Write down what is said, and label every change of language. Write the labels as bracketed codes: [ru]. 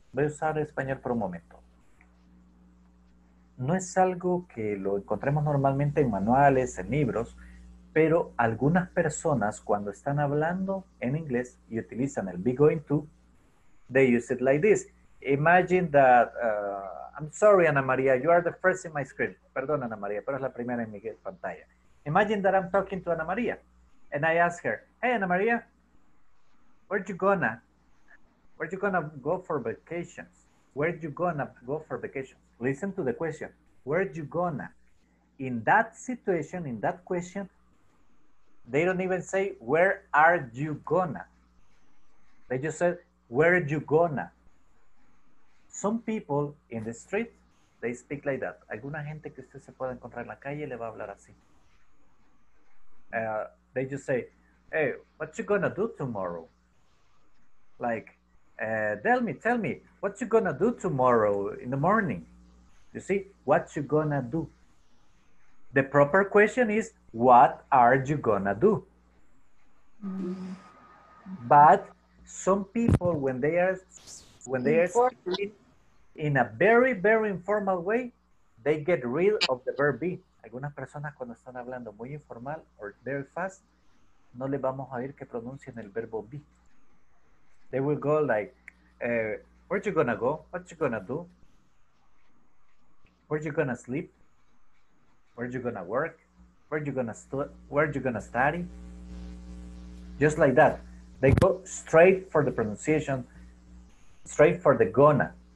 [es] Voy a usar español por un momento. No es algo que lo encontremos normalmente en manuales, en libros, pero algunas personas cuando están hablando en inglés y utilizan el be going to, [en] they use it like this. Imagine that... I'm sorry, Ana María, you are the first in my screen. [es] Perdón, Ana María, pero es la primera en mi pantalla. [en] Imagine that I'm talking to Ana María, and I ask her, hey, Ana María, where are you gonna go for vacations? Listen to the question, where are you gonna? In that situation, in that question, they don't even say, where are you gonna? They just said, where are you gonna? Some people in the street, they speak like that. [es] Alguna gente que usted se pueda encontrar en la calle le va a hablar así. [en] They just say, hey, what you gonna do tomorrow? Like, tell me, what you gonna do tomorrow in the morning? You see, what you gonna do? The proper question is, what are you gonna do? Mm-hmm. But some people, in a very, very informal way, they get rid of the verb be. [es] Algunas personas cuando están hablando muy informal [en] or very fast, [es] no les vamos a oír que pronuncien el verbo be. [en] They will go like, where you gonna go? What you gonna do? Where you gonna sleep? Where are you gonna work? Where are you gonna study? Just like that. They go straight for the pronunciation, straight for the gonna.